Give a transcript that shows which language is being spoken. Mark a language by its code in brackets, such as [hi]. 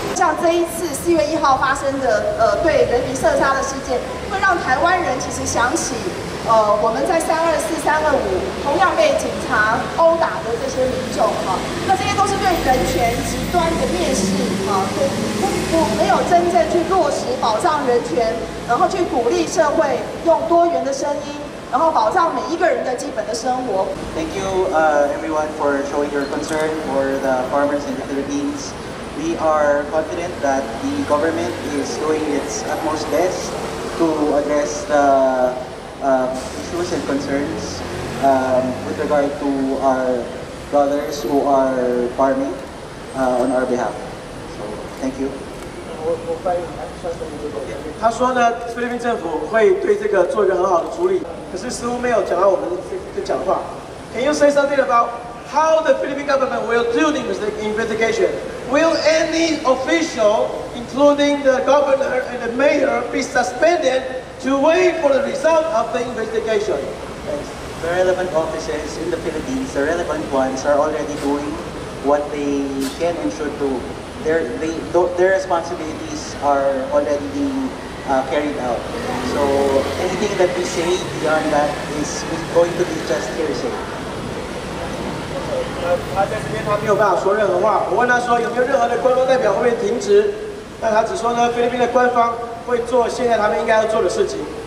[zh] 像这一次4月1号发生的对人民射杀的事件，会让台湾人其实想起我们在324、325同样被警察殴打的这些民众哈，那这些都是对人权极端的蔑视哈，不没有真正去落实保障人权，然后去鼓励社会用多元的声音，然后保障每一个人的基本的生活。 [en] Thank you, everyone, for showing your concern for the farmers in the Philippines. We are confident that the government is doing its utmost best to address the issues and concerns with regard to our brothers who are farming on our behalf. So, thank you. [zh] 他说呢，菲律宾政府会对这个做一个很好的处理，可是似乎没有讲到我们的讲话。 [en] Can you say something about how the Philippine government will do the investigation? Will any official, including the governor and the mayor, be suspended? To wait for the result of the investigation. Yes. The relevant offices in the Philippines, the relevant ones, are already doing what they can and should do. Their responsibilities are already being carried out. So anything that we say beyond that is going to be just hearsay. [zh] 他在这边他没有办法说任何话。我问他说有没有任何的官方代表会不会停职？但他只说呢，菲律宾的官方。会做现在他们应该要做的事情。